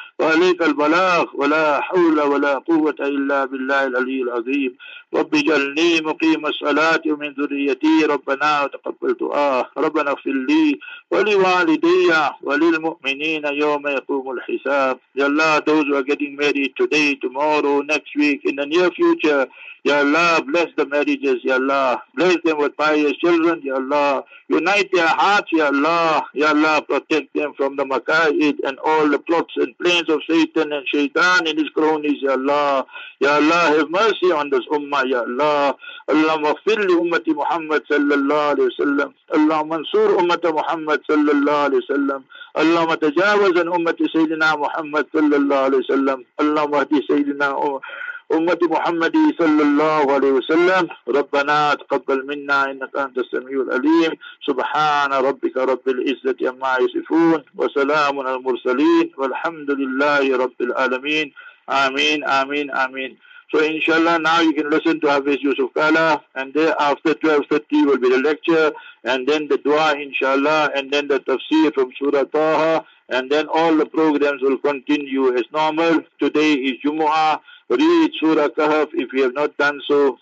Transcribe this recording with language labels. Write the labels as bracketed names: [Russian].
[Arabic] وعليك البلاغ ولا حول ولا قوة إلا بالله العلي العظيم رب اجعلني مقيم الصلاة ومن ذريتي ربنا وتقبل دعاء ربنا اغفر لي ولوالدي وللمؤمنين يوم يقوم الحساب يا الله [English] those who are getting married today, tomorrow, next week, in the near future, Ya Allah, bless the marriages, Ya Allah. Bless them with pious children, Ya Allah. Unite their hearts, Ya Allah. Ya Allah, protect them from the Makaid and all the plots and plans of Satan and Shaitan and his cronies, Ya Allah. Ya Allah, have mercy on this Ummah, Ya Allah. [Arabic] Allah maghfir li ummati Muhammad sallallahu alayhi wa sallam. Allah mansur ummata Muhammad sallallahu alayhi wa sallam. Allah matajawaz an ummati Sayyidina Muhammad sallallahu alayhi wa sallam. Allah mahdi Sayyidina أمتي محمد صلى الله عليه وسلم ربنا تقبل منا إنك أنت السميع العليم سبحان ربك رب العزة عما يصفون وسلام على المرسلين والحمد لله رب العالمين آمين آمين آمين. [English] So inshallah, now you can listen to Hafiz Yusuf Kala, and then after 12:30 will be the lecture, and then the dua inshallah, and then the tafsir from Surah Taha, and then all the programs will continue as normal. Today is Jumu'ah. Read Surah Kahf if you have not done so.